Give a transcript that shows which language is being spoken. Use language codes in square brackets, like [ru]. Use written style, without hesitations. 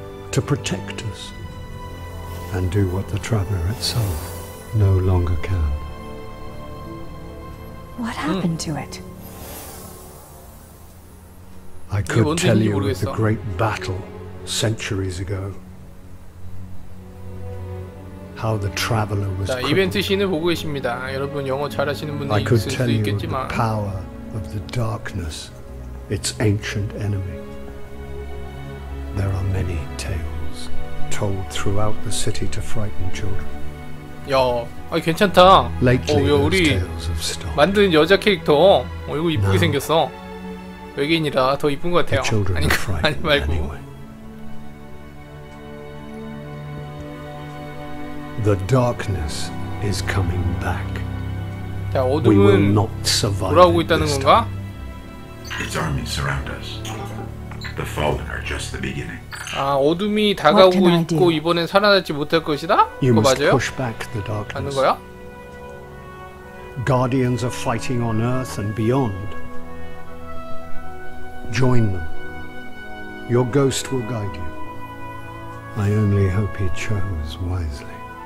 [en] to protect us and do what the traveler itself no longer can. What happened to it? I could tell you of the great battle centuries ago. How the traveler was crippled. [ko] 자, 이벤트 씬을 보고 계십니다. 여러분 영어 잘하시는 분들 있을 수 있겠지만 [en] I could tell you of the power of the darkness, its ancient enemy. There are many tales told throughout the city to frighten children. [ko] 야, 아니, 괜찮다. [en] Lately, [ko] 야, 우리 만든 여자 캐릭터 이거 이쁘게 생겼어. 외계인이라 더 이쁜 것 같아요. 아니, 아니 말고. [en] The darkness is coming back. [ko] 자, 어둠은 돌아오고 있다는 건가? [en] Its army surround us. The fallen are just the beginning. [ko] 아, 어둠이 다가오고 있고 이번엔 살아나지 못할 것이다? 그거 맞아요? 맞는 거야? [en] Guardians are fighting on earth and beyond. Join them. Your ghost will guide you. I only hope he chose wisely.